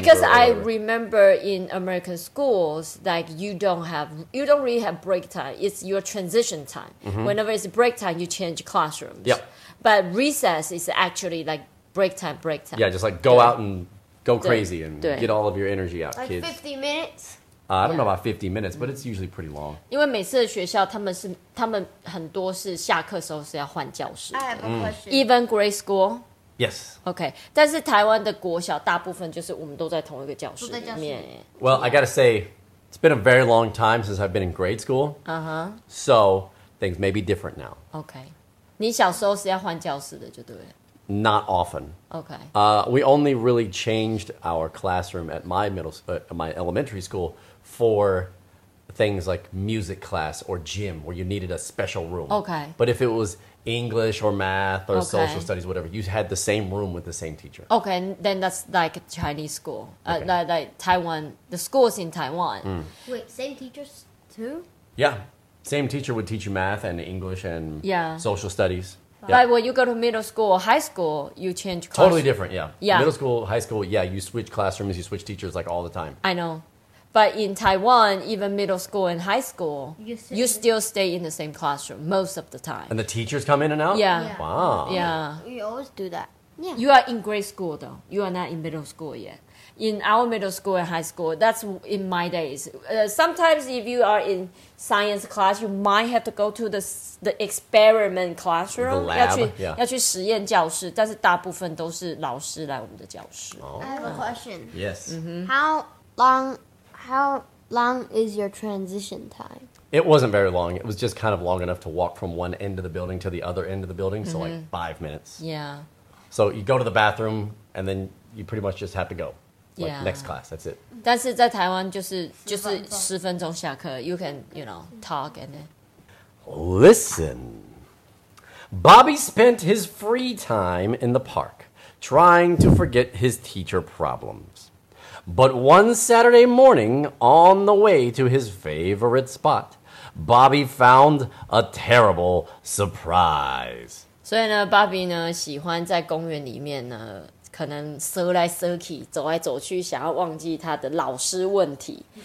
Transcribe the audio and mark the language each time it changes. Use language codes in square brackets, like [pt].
[en] because I remember in American schools like you don't really have break time it's your transition time、whenever it's break time you change classrooms yeah but recess is actually like break time yeah just like go out and go crazy and get all of your energy out like kids. 50 minutes I don't know about 50 minutes, but it's usually pretty long. [zh] 因为每次的学校他们很多是下课时候是要换教室的。 [en] I have a question. Even grade school? Yes. Okay. [zh] 但是台湾的国小大部分就是我们都在同一个教室里面。 [en] Well, I gotta say, it's been a very long time since I've been in grade school. So, things may be different now. Okay. [zh] 你小时候是要换教室的就对了。 [en] Not often. Okay. We only really changed our classroom at my elementary school for things like music class or gym where you needed a special room. Okay. But if it was English or math or social studies, whatever, you had the same room with the same teacher. Okay, then that's like Chinese school. Like Taiwan, the schools in Taiwan. Wait, same teachers too? Yeah. Same teacher would teach you math and English and social studies. Yeah. Like when you go to middle school, high school, you change classrooms. Totally different, yeah. Middle school, high school, yeah, you switch classrooms, you switch teachers like all the time. I know. But in Taiwan, even middle school and high school, you still stay in the same classroom most of the time. And the teachers come in and out? Yeah. Wow. Yeah. We always do that. Yeah. You are in grade school though. You are not in middle school yet. In our middle school and high school, that's in my days. Sometimes if you are in... Science class, you might have to go to the experiment classroom. The lab, [zh] 要去实验教室，但是大部分都是老师来我们的教室。 [en] I have a question. Yes. How long is your transition time? It wasn't very long. It was just kind of long enough to walk from one end of the building to the other end of the building, so like 5 minutes. Yeah. So you go to the bathroom, and then you pretty much just have to go. Like, next class, that's it. [zh] 但是在台湾就是十分钟下课 [en] You can, you know, talk and then... Listen. Bobby spent his free time in the park, trying to forget his teacher problems. But one Saturday morning, on the way to his favorite spot, Bobby found a terrible surprise. [zh] 所以呢 ，Bobby 呢喜欢在公园里面呢，可能蛇来蛇去，走来走去，想要忘记他的老师问题。